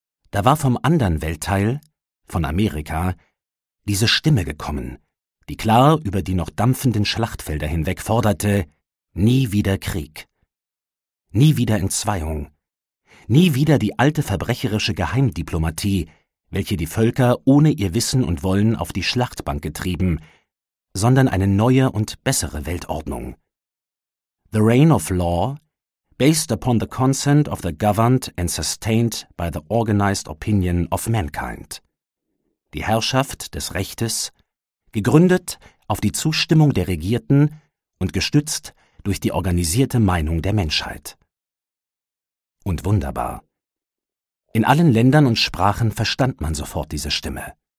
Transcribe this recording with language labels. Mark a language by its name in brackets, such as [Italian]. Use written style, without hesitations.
[German] Da war vom anderen Weltteil, von Amerika, diese Stimme gekommen, die klar über die noch dampfenden Schlachtfelder hinweg forderte: Nie wieder Krieg. Nie wieder Entzweiung. Nie wieder die alte verbrecherische Geheimdiplomatie, welche die Völker ohne ihr Wissen und Wollen auf die Schlachtbank getrieben, sondern eine neue und bessere Weltordnung. [English] The reign of law, based upon the consent of the governed and sustained by the organized opinion of mankind. [German] Die Herrschaft des Rechtes, gegründet auf die Zustimmung der Regierten und gestützt durch die organisierte Meinung der Menschheit. Und wunderbar. In allen Ländern und Sprachen verstand man sofort diese Stimme.